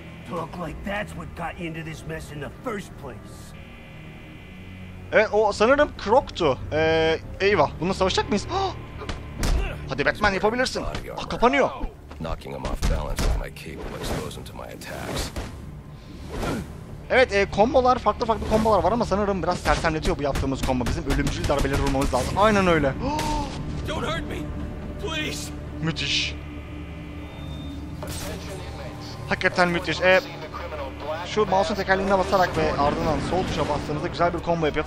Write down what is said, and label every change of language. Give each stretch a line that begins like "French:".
English: Look like that's what got you into this mess in the first place.
Turkish: Evet, o sanırım Croc'tu. Eyvah, bununla savaşacak mıyız? Hadi Batman, yapabilirsin. Ah, kapanıyor.
English: Knocking him off balance with my cape will expose him to my attacks.
Turkish: Evet, kombolar, farklı farklı kombolar var ama sanırım biraz sersemletiyor bu yaptığımız kombo. Bizim ölümcül darbeleri vurmamız lazım. Aynen öyle.
English: Don't hurt me. Please.
Turkish: Müthiş. Hakikaten müthiş. şu mouse'un tekerleğine basarak ve ardından sol tuşa bastığınızda güzel bir combo yapıyor.